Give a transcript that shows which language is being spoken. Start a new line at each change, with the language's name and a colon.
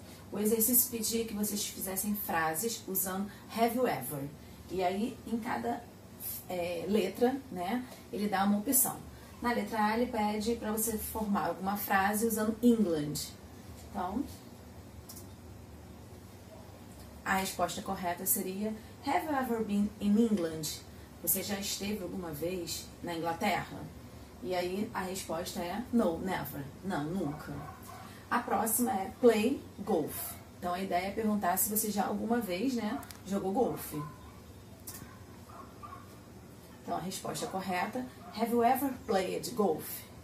Portuguese: O exercício pedia que vocês fizessem frases usando
English: have you ever.
Portuguese: E aí, em cada letra, né, ele dá uma opção. Na letra A, ele pede para você formar alguma frase usando England. Então, a resposta correta seria
English: have you ever been in England?
Portuguese: Você já esteve alguma vez na Inglaterra? E aí, a resposta é
English: no, never.
Portuguese: Não, nunca. A próxima é
English: play golf.
Portuguese: Então, a ideia é perguntar se você já alguma vez, né, jogou golfe. Então, a resposta correta,
English: have you ever played golf?